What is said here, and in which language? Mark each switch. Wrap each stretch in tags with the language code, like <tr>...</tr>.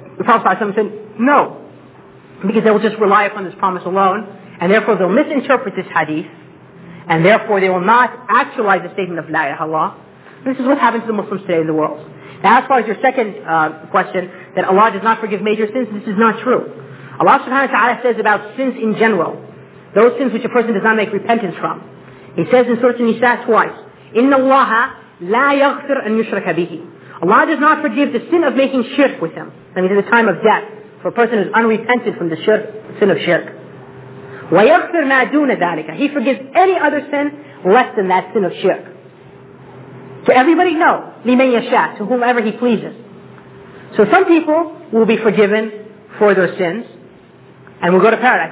<en>The Prophet ﷺ said, no, because they will just rely upon this promise alone, and therefore they'll misinterpret this hadith, and therefore they will not actualize the statement of La ilaha Allah. This is what happens to the Muslims today in the world. Now, as far as your second question, that Allah does not forgive major sins, this is not true. Allah subhanahu wa ta'ala says about sins in general, those sins which a person does not make repentance from. He says in Surah An-Nisa twice,</en> <ar>إِنَّ اللَّهَ لَا يَغْفِرْ أَن يُشْرَكَ بِهِ.</ar> <en>Allah does not forgive the sin of making shirk with him. I mean, in the time of death, for a person who's unrepentant from the shirk, sin of shirk.</en> <ar>وَيَغْفِرْ مَا دُونَ ذَلِكَ</ar> <en>He forgives any other sin less than that sin of shirk. To everybody? No.</en> <ar>لِمَنْ يَشَاءَ</ar> <en>To whomever he pleases. So some people will be forgiven for their sins and will go to paradise.</en>